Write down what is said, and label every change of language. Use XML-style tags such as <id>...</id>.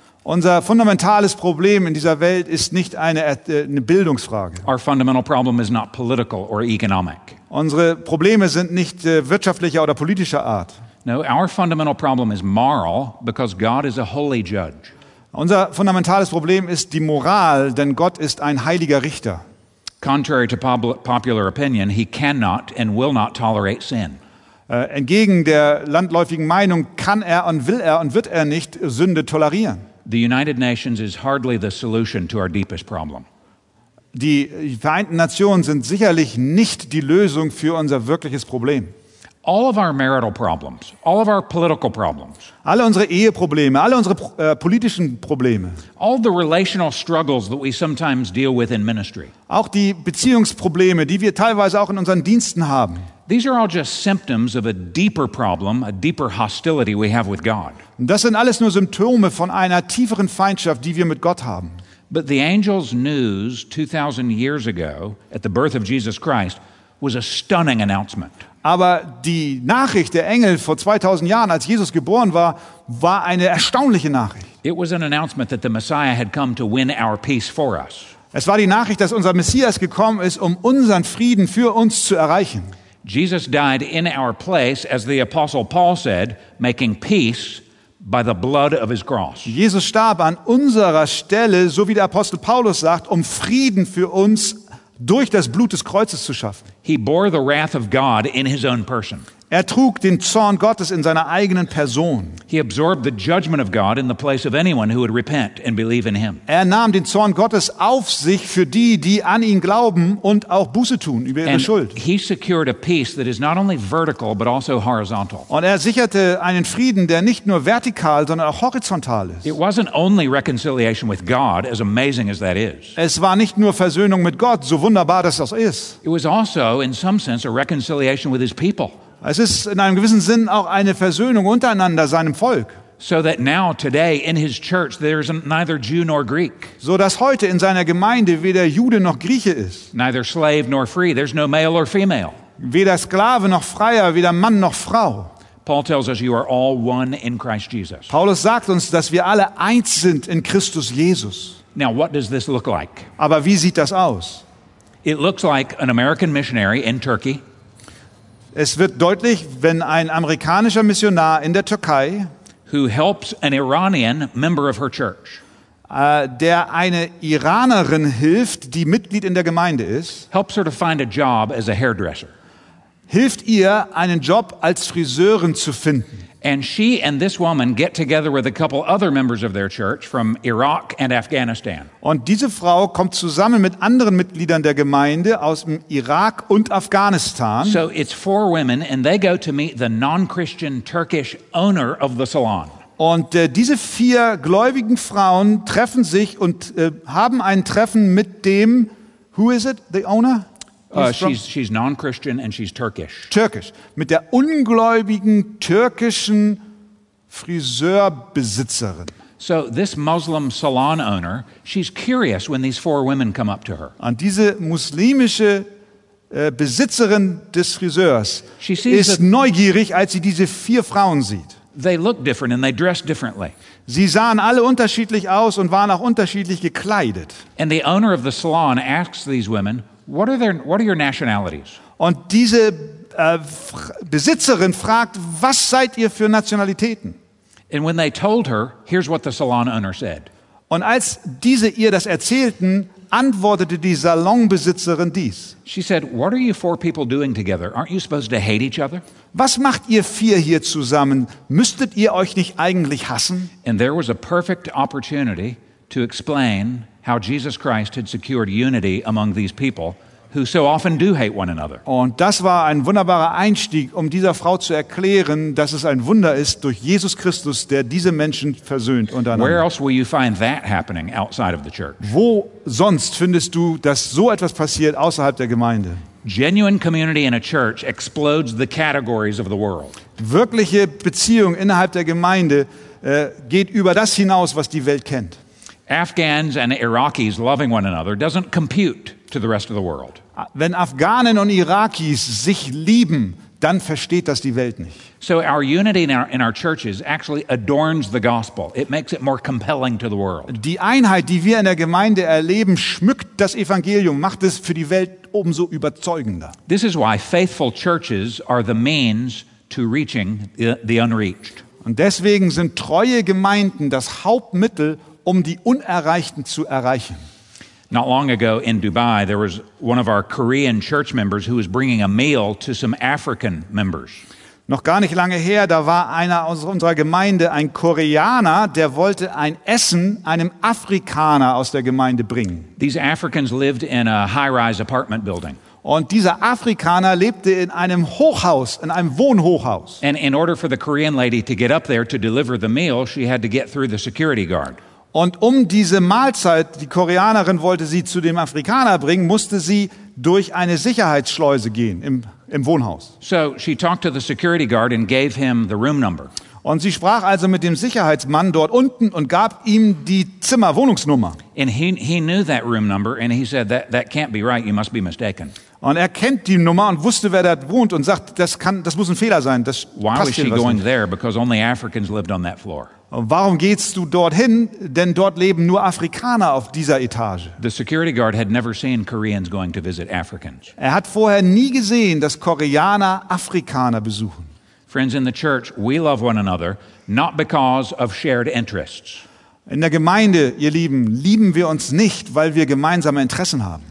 <de>Unser fundamentales Problem in dieser Welt ist nicht eine Bildungsfrage.</de> <en>Our fundamental problem is not political or economic.</en> <de>Unsere Probleme sind nicht wirtschaftlicher oder politischer Art.</de> <en>No, our fundamental problem is moral, because God is a holy judge.</en> <de>Unser fundamentales Problem ist die Moral, denn Gott ist ein heiliger Richter.</de> <en>Contrary to popular opinion, he cannot and will not tolerate sin.</en> <de>Entgegen der landläufigen Meinung kann er und will er und wird er nicht Sünde tolerieren.</de> <en>The United Nations is hardly the solution to our deepest problem.</en> <de>Die Vereinten Nationen sind sicherlich nicht die Lösung für unser wirkliches Problem.</de> <en>All of our marital problems, all of our political problems.</en> <de>Alle unsere Eheprobleme, alle unsere politischen Probleme.</de> <en>All the relational struggles that we sometimes deal with in ministry.</en> <de>Auch die Beziehungsprobleme, die wir teilweise auch in unseren Diensten haben.</de> <en>These are all just symptoms of a deeper problem, a deeper hostility we have with God.</en> <de>Das sind alles nur Symptome von einer tieferen Feindschaft, die wir mit Gott haben.</de> <en>But the angels' news 2000 years ago at the birth of Jesus Christ was a stunning announcement.</en> <de>Aber die Nachricht der Engel vor 2000 Jahren, als Jesus geboren war, war eine erstaunliche Nachricht.</de> <en>It was an announcement that the Messiah had come to win our peace for us.</en> <de>Es war die Nachricht, dass unser Messias gekommen ist, um unseren Frieden für uns zu erreichen.</de> <en>Jesus died in our place, as the Apostle Paul said, making peace by the blood of his cross.</en> <de>Jesus starb an unserer Stelle, so wie der Apostel Paulus sagt, um Frieden für uns durch das Blut des Kreuzes zu schaffen.</de> <en>He bore the wrath of God in his own person.</en> <de>Er trug den Zorn Gottes in seiner eigenen Person.</de> <en>He absorbed the judgment of God in the place of anyone who would repent and believe in him.</en> <de>Er nahm den Zorn Gottes auf sich für die, die an ihn glauben und auch Buße tun über ihre Schuld.</de> <en>He secured a peace that is not only vertical but also horizontal.</en> <de>Und er sicherte einen Frieden, der nicht nur vertikal, sondern auch horizontal ist.</de> <en>It wasn't only reconciliation with God, as amazing as that is.</en> <de>Es war nicht nur Versöhnung mit Gott, so wunderbar das auch ist.</de> <en>It was also in some sense a reconciliation with his people.</en> <de>Es ist in einem gewissen Sinn auch eine Versöhnung untereinander seinem Volk.</de> <en>So that now today in his church there is neither Jew nor Greek.</en> <de>So dass heute in seiner Gemeinde weder Jude noch Grieche ist.</de> <en>Neither slave nor free, there's no male or female.</en> <de>Weder Sklave noch Freier, weder Mann noch Frau.</de> <en>Paul tells us you are all one in Christ Jesus.</en> <de>Paulus sagt uns, dass wir alle eins sind in Christus Jesus.</de> <en>Now what does this look like?</en> <de>Aber wie sieht das aus?</de> <en>It looks like an American missionary in Turkey.</en> <de>Es wird deutlich, wenn ein amerikanischer Missionar in der Türkei,</de> <en>who helps an Iranian member of her church,</en> <de>der eine Iranerin hilft, die Mitglied in der Gemeinde ist,</de> <en>helps her to find a job as a hairdresser,</en> <de>hilft ihr, einen Job als Friseurin zu finden.</de> <en>And she and this woman get together with a couple other members of their church from Iraq and Afghanistan.</en> <de>Und diese Frau kommt zusammen mit anderen Mitgliedern der Gemeinde aus dem Irak und Afghanistan.</de> <en>So it's four women and they go to meet the non-Christian Turkish owner of the salon.</en> <de>Und diese vier gläubigen Frauen treffen sich und haben ein Treffen mit dem,</de> <en>who is it, the owner? She's non-Christian and she's Turkish. Turkish.</en> <de>Mit der ungläubigen türkischen Friseurbesitzerin.</de> <en>So this Muslim salon owner, she's curious when these four women come up to her.</en> <de>Und diese muslimische Besitzerin des Friseurs ist neugierig, als sie diese vier Frauen sieht.</de> <en>They look different and they dress differently.</en> <de>Sie sahen alle unterschiedlich aus und waren auch unterschiedlich gekleidet.</de> <en>And the owner of the salon asks these women, What are your nationalities?</en> <de>Und diese Besitzerin fragt, was seid ihr für Nationalitäten?</de> <en>And when they told her, here's what the salon owner said.</en> <de>Und als diese ihr das erzählten, antwortete die Salonbesitzerin dies.</de> <en>She said, what are you four people doing together? Aren't you supposed to hate each other?</en> <de>Was macht ihr vier hier zusammen? Müsstet ihr euch nicht eigentlich hassen?</de> <en>And there was a perfect opportunity to explain how Jesus Christ had secured unity among these people who so often do hate one another.</en> <de>Und das war ein wunderbarer Einstieg, um dieser Frau zu erklären, dass es ein Wunder ist durch Jesus Christus, der diese Menschen versöhnt untereinander.</de> <en>Where else will you find that happening outside of the church?</en> <de>Wo sonst findest du, dass so etwas passiert außerhalb der Gemeinde?</de> <en>Genuine community in a church explodes the categories of the world.</en> <de>Wirkliche Beziehung innerhalb der Gemeinde geht über das hinaus, was die Welt kennt.</de> <en>Afghans and Iraqis loving one another doesn't compute to the rest of the world.</en> <de>Wenn Afghanen und Irakis sich lieben, dann versteht das die Welt nicht.</de> <en>So our unity in our churches actually adorns the gospel. It makes it more compelling to the world.</en> <de>Die Einheit, die wir in der Gemeinde erleben, schmückt das Evangelium, macht es für die Welt umso überzeugender.</de> <en>This is why faithful churches are the means to reaching the unreached.</en> <de>Und deswegen sind treue Gemeinden das Hauptmittel, um die Unerreichten zu erreichen.</de> <en>Not long ago in Dubai, there was one of our Korean church members who was bringing a meal to some African members.</en> <de>Noch gar nicht lange her, da war einer aus unserer Gemeinde, ein Koreaner, der wollte ein Essen einem Afrikaner aus der Gemeinde bringen.</de> <en>These Africans lived in a high-rise apartment building.</en> <de>Und dieser Afrikaner lebte in einem Hochhaus, in einem Wohnhochhaus.</de> <en>And in order for the Korean lady to get up there to deliver the meal, she had to get through the security guard.</en> <de>Und um diese Mahlzeit, die Koreanerin wollte sie zu dem Afrikaner bringen, musste sie durch eine Sicherheitsschleuse gehen im Wohnhaus.</de> <en>So she talked to the security guard and gave him the room number.</en> <de>Und sie sprach also mit dem Sicherheitsmann dort unten und gab ihm die Zimmerwohnungsnummer.</de> <en>And he knew that room number and he said that can't be right, you must be mistaken.</en> <de>Und er kennt die Nummer und wusste, wer da wohnt und sagt, das muss ein Fehler sein. Das</de> <en>Why was she going</en> <de>nicht.</de> <en>There because only Africans lived on that floor.</en> <de>Warum gehst du dorthin, denn dort leben nur Afrikaner auf dieser Etage?</de> <en>The security guard had never seen Koreans going to visit Africans.</en> <de>Er hat vorher nie gesehen, dass Koreaner Afrikaner besuchen.</de> <en>Friends in the church, we love one another not because of shared interests.</en> <de>In der Gemeinde, ihr Lieben, lieben wir uns nicht, weil wir gemeinsame Interessen haben.</de>